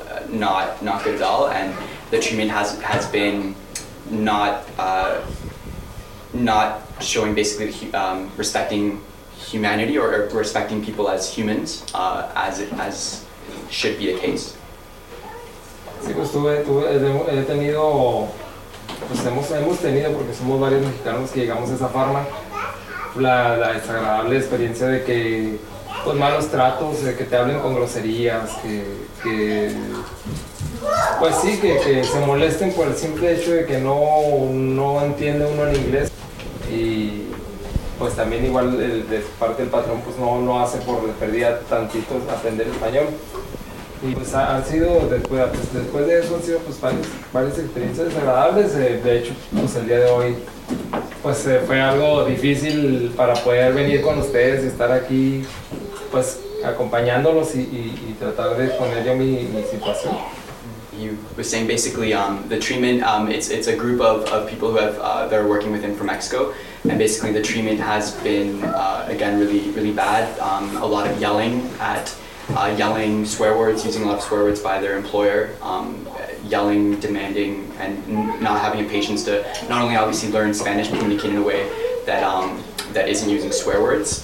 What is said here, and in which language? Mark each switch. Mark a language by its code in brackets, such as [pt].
[en] not good at all, and the treatment has been not showing basically respecting humanity or respecting people as humans, as should be the case. [es] Sí, pues he tenido, pues hemos tenido, porque somos varios mexicanos que llegamos a esa farma, la desagradable experiencia de que, pues malos tratos, de que te hablen con groserías, que se molesten por el simple hecho de que no entiende uno el inglés. Y pues también igual de parte del patrón pues no hace por perdida tantito aprender español. Y pues han sido, después de eso han sido pues varias experiencias desagradables. De hecho, pues el día de hoy pues fue algo difícil para poder venir con ustedes y estar aquí pues acompañándolos y tratar de exponer yo mi situación. [en] You were saying basically the treatment, it's a group of people who have they're working with him from Mexico, and basically the treatment has been again really, really bad. A lot of yelling swear words, using a lot of swear words by their employer, yelling, demanding, and not having the patience to not only obviously learn Spanish but communicate in a way that that isn't using swear words.